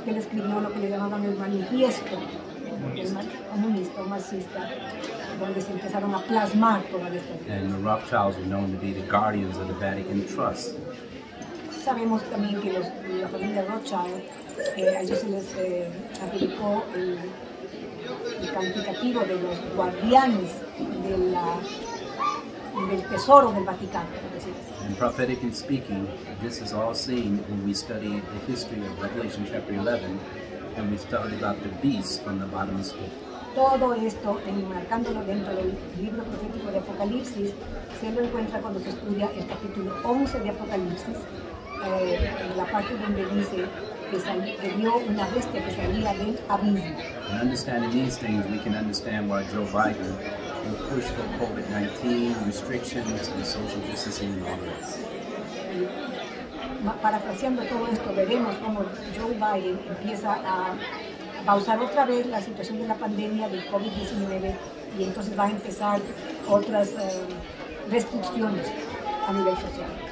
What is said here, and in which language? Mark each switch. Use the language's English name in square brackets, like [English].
[Spanish] que él escribió lo que le llamaban el manifiesto, comunista o marxista, donde se empezaron a plasmar todas estas ideas. [English] And the Rothschilds were known to be the guardians of the Vatican Trust. [Spanish] Sabemos también que la familia Rothschild, a ellos se les adjudicó calificativo de los guardianes de la, del tesoro del Vaticano. [English] And prophetically speaking, this is all seen when we study the history of Revelation chapter 11 and we study about the beast from the bottom of the pit. [Spanish] Todo esto, enmarcándolo dentro del libro profético de Apocalipsis, se lo encuentra cuando se estudia el capítulo 11 de Apocalipsis, en la parte donde dice que vio una bestia que salía del abismo. [English] And understanding these things, we can understand why Joe Biden will push for COVID-19 restrictions and social distancing and all of this. [Spanish] Parafraseando todo esto, veremos cómo Joe Biden empieza a pausar otra vez la situación de la pandemia del COVID-19 y entonces va a empezar otras restricciones a nivel social.